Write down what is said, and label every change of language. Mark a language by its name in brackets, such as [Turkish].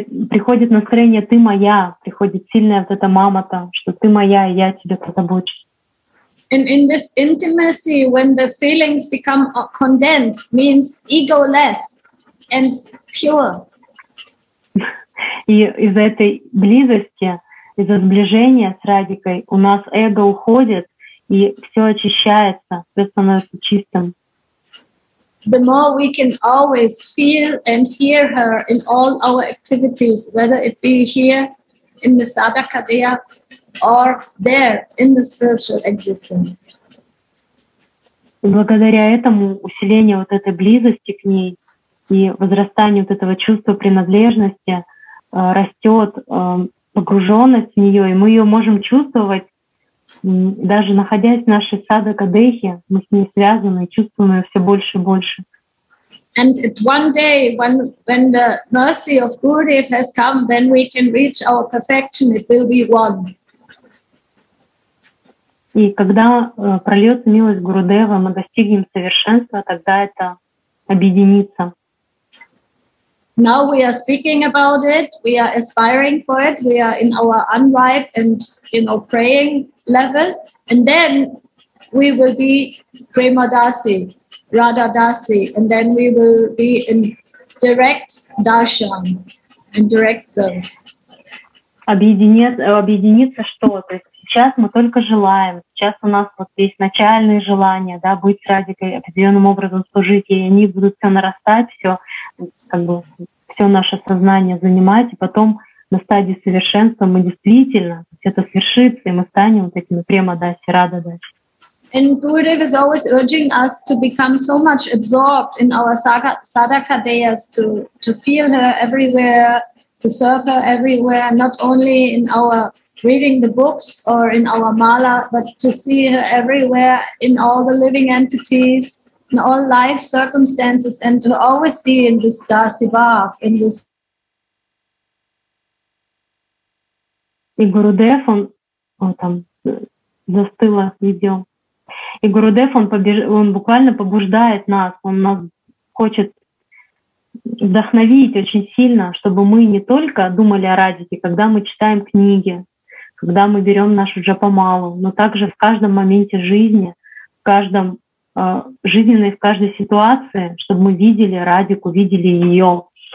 [Russian] Приходит настроение «ты моя», приходит сильная вот эта мамата, что «ты моя, и я тебе позабочусь». [English] And in this intimacy, when the feelings become condensed, means egoless and pure. [Russian] И из этой близости, из-за сближения с Радикой у нас эго уходит, и все очищается, все становится чистым. [English] The more we can always feel and hear her in all our activities, whether it be here in the sadhakadeya or there in the spiritual existence. [Russian] Благодаря этому усилению вот этой близости к ней и возрастанию вот этого чувства принадлежности растет погруженность в нее, и мы ее можем чувствовать. Даже находясь в нашей садхакадехе, мы с ней связаны, чувствуем ее все больше и больше. [English] And one day, when the mercy of Gurudev has come, then we can reach our perfection. It will be one. [Russian] И когда прольется милость Гурудева, мы достигнем совершенства, тогда это объединится. [English] Now we are speaking about it. We are aspiring for it. We are in our unripe and, you know, praying level. And then we will be Prema Dasi, Radha Dasi, and then we will be in direct darshan, in direct service. [Russian] Объединиться что? То есть сейчас мы только желаем. Сейчас у нас вот есть начальные желания, да, быть радикой, определенным образом служить, и они будут все нарастать, все как бы все наше сознание занимать, и потом на стадии совершенства мы действительно это свершится, и мы станем вот этими према даси, рада даси. [English] And Gurudev is always urging us to become so much absorbed in our sadaka deyas, to feel her everywhere, to serve her everywhere, not only in our reading the books or in our mala, but to see her everywhere in all the living entities, in all life circumstances, and to always be in this dasi bhav, in this. [Russian] И Гурудев, он там застыло видео. И Гурудев, он буквально побуждает нас, он нас хочет вдохновить очень сильно, чтобы мы не только думали о радике, когда мы читаем книги, когда мы берем нашу джапамалу, но также в каждом моменте жизни, в каждом жизненной, в каждой ситуации, чтобы мы видели радику, видели ее,